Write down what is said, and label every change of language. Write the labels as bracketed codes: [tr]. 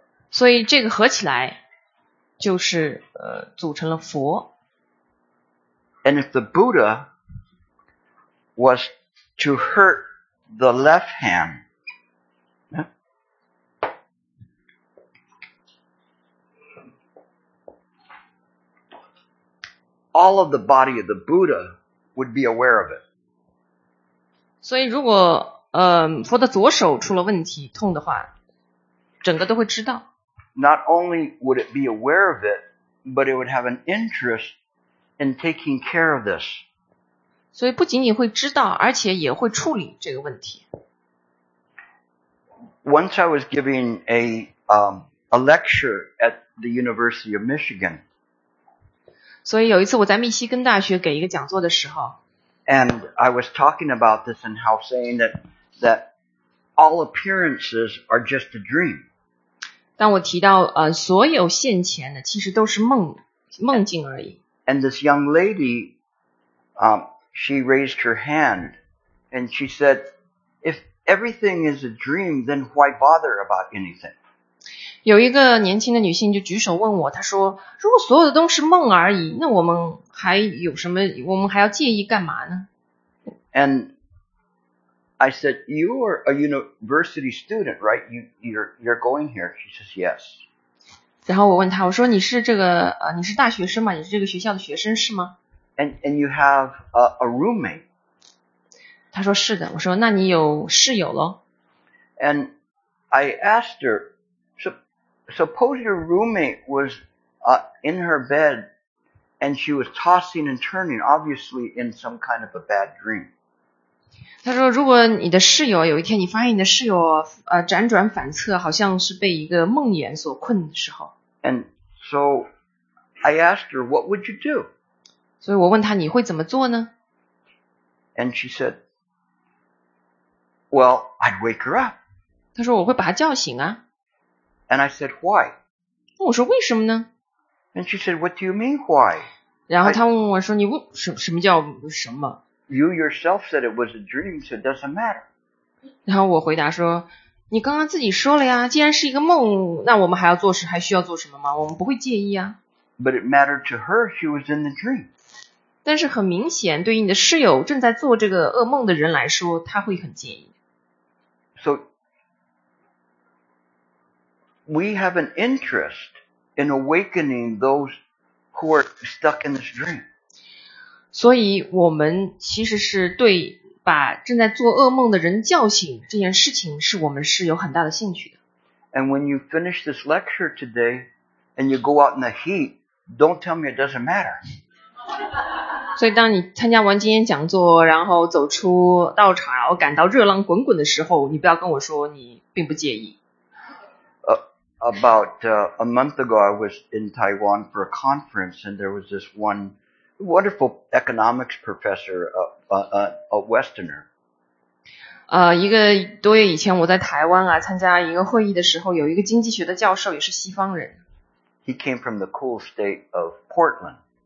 [zh] 所以这个合起来就是组成了佛。 [en] And if the Buddha was to hurt the left hand, all of the body of the Buddha would be aware of it. [zh] 所以如果佛的左手出了问题痛的话整个都会知道。 [en] Not only would it be aware of it, but it would have an interest in taking care of this. [zh] 所以不仅仅会知道，而且也会处理这个问题。 [en] Once I was giving a lecture at the University of Michigan. [zh] 所以有一次我在密西根大学给一个讲座的时候 [en] And I was talking about this and how saying that, that all appearances are just a dream. [zh] 当我提到所有现前的其实都是梦梦境而已 [en] And this young lady, she raised her hand and she said, if everything is a dream, then why bother about anything? [zh] 有一个年轻的女性就举手问我，她说：“如果所有的都是梦而已，那我们还有什么？我们还要介意干嘛呢 [en] ？”And I said, "You are a university student, right? You're going here." She says, "Yes." [zh] 然后我问她，我说：“你是这个你是大学生吗？你是这个学校的学生是吗 [en] ？”And you have a roommate. [zh] 她说：“是的。”我说：“那你有室友咯 [en] ？”And I asked her. Suppose your roommate was in her bed and she was tossing and turning, obviously in some kind of a bad dream. [zh] 他说如果你的室友有一天你发现你的室友辗转反侧好像是被一个梦魇所困的时候。 [en] And so I asked her, what would you do? [zh] 所以我问他你会怎么做呢 [en] And she said, well, I'd wake her up. [zh] 他说我会把她叫醒啊。 [en] And I said, why? [zh] 我说为什么呢 [en] And she said, what do you mean, why? [zh] 然后她问我说你什么叫什么 [en] You yourself said it was a dream, so it doesn't matter. [zh] 然后我回答说你刚刚自己说了呀既然是一个梦那我们还要做事还需要做什么吗我们不会介意啊 [en] But it mattered to her, she was in the dream. [zh] 但是很明显对于你的室友正在做这个噩梦的人来说他会很介意 [en] SoWe have an interest in awakening those who are stuck in this dream. [zh] 所以我们其实是对把正在做噩梦的人叫醒这件事情是我们是有很大的兴趣的。 [en] And when you finish this lecture today and you go out in the heat, don't tell me it doesn't matter. [zh] 所以当你参加完今天讲座然后走出道场然后感到热浪滚滚的时候你不要跟我说你并不介意。 [en] About a month ago, I was in Taiwan for a conference, and there was this one wonderful economics professor, a Westerner. [zh] 一个多月以前，我在台湾啊，参加一个会议的时候，有一个经济学的教授，也是西方人。 [en] He came from the cool state of Portland.